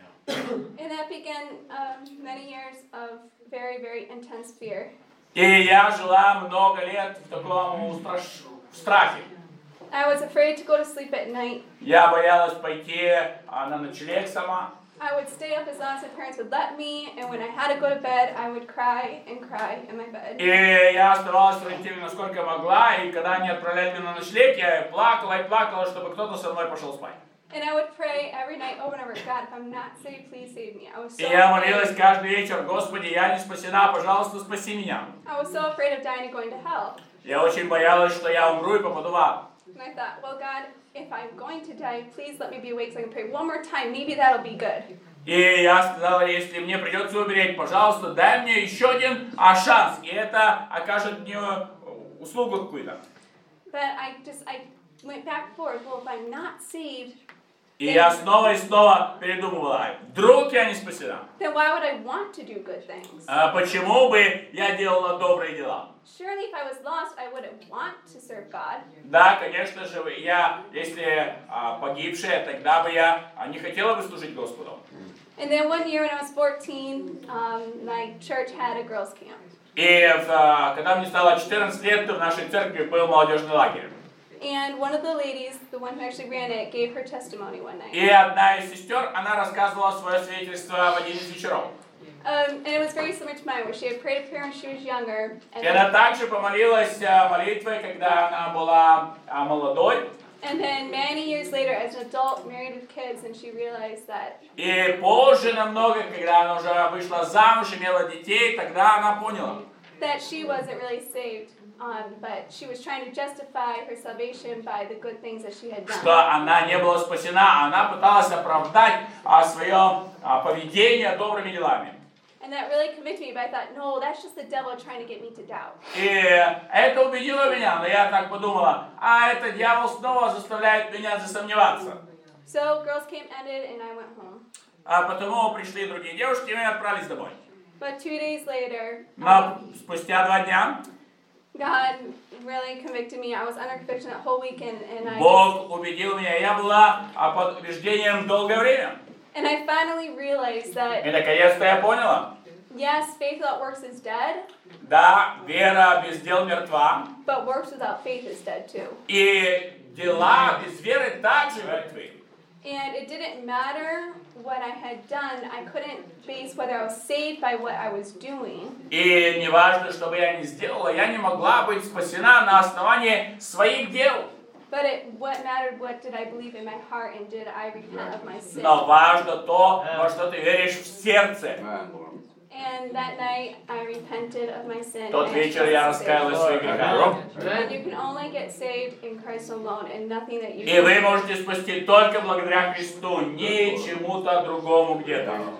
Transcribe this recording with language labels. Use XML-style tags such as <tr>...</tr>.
<en>And that began many years of very, very intense fear.</en> <ru>И я жила много лет в таком в страхе.</ru> <en>I was afraid to go to sleep at night.</en> <ru>Я боялась пойти на ночлег сама.</ru> <en>I would stay up as long as my parents would let me, and when I had to go to bed, I would cry and cry in my bed.</en> <ru>И я старалась пройти, насколько могла, и когда они отправляли меня на ночлег, я плакала и плакала, чтобы кто-то со мной пошел спать.</ru> <en>And I would pray every night over and over, God, if I'm not saved, please save me. I was so afraid.</en> <ru>И я молилась каждый вечер, Господи, я не спасена, пожалуйста, спаси меня.</ru> <en>I was so afraid of dying and going to hell.</en> <ru>Я очень боялась, что я умру и попаду в ад.</ru> <en>And I thought, well, God, if I'm going to die, please let me be awake so I can pray one more time. Maybe that'll be good.</en> <ru>И я сказала, если мне придется умереть, пожалуйста, дай мне еще один шанс, и это окажет мне услугу какую-то.</ru> <en>But I went back and forth. Well, if I'm not saved,</en> <ru>и я снова и снова передумывала, вдруг я не спасена.</ru> <en>Then why would I want to do good things?</en> <ru>Почему бы я делала добрые дела?</ru> <en>Surely if I was lost, I wouldn't want to serve God.</en> <ru>Да, конечно же, я, если погибшая, тогда бы я не хотела бы служить Господу.</ru> <en>And then one year when I was 14, my church had a girls' camp.</en> <ru>И когда мне стало 14 лет, то в нашей церкви был молодежный лагерь.</ru> <en>And one of the ladies, the one who actually ran it, gave her testimony one night.</en> <ru>И одна из сестер, она рассказывала свое свидетельство в один из вечеров.</ru> <en>And it was very similar to mine, where she had prayed a prayer when she was younger.</en> <ru>И она также помолилась молитвой, когда она была молодой.</ru> <en>And then many years later, as an adult, married with kids, and she realized that.</en> <ru>И позже намного, когда она уже вышла замуж, имела детей, тогда она поняла.</ru> <en>That she wasn't really saved. But she was trying to justify her salvation by the good things that she had done.</en> <ru>Что она не была спасена, она пыталась оправдать свое поведение добрыми делами.</ru> <en>And that really convicted me, but I thought, no, that's just the devil trying to get me to doubt.</en> <ru>И это убедило меня, но я так подумала, это дьявол снова заставляет меня засомневаться.</ru> <en>So girls camp ended, and I went home.</en> <ru>А потому пришли другие девушки, и мы отправились домой.</ru> <en>But 2 days later.</en> <ru>Но спустя 2 дня.</ru> <en>God really convicted me. I was under conviction that whole weekend, and I.</en> <ru>Бог убедил меня. Я была под убеждением долгое время.</ru> <en>And I finally realized that.</en> <ru>И наконец-то я поняла.</ru> <en>Yes, faith without works is dead.</en> <ru>Да, вера без дел мертва.</ru> <en>But works without faith is dead too.</en> <ru>И дела без веры также мертвы.</ru> <en>And it didn't matter what I had done. I couldn't base whether I was saved by what I was doing.</en> <ru>И не важно, что бы я ни сделала, я не могла быть спасена на основании своих дел.</ru> <en>But it, what mattered, what did I believe in my heart, and did I repent of my sin?</en> <ru>Но важно то, во что ты веришь в сердце.</ru> <en>And that night, I repented of my sin.</en> <ru>Тот вечер я раскаялась в своих грехах.</ru> <en>And you can only get saved in Christ alone, and nothing that you.</en> <ru>И вы можете спасти только благодаря Христу, не чему-то другому где-то.</ru>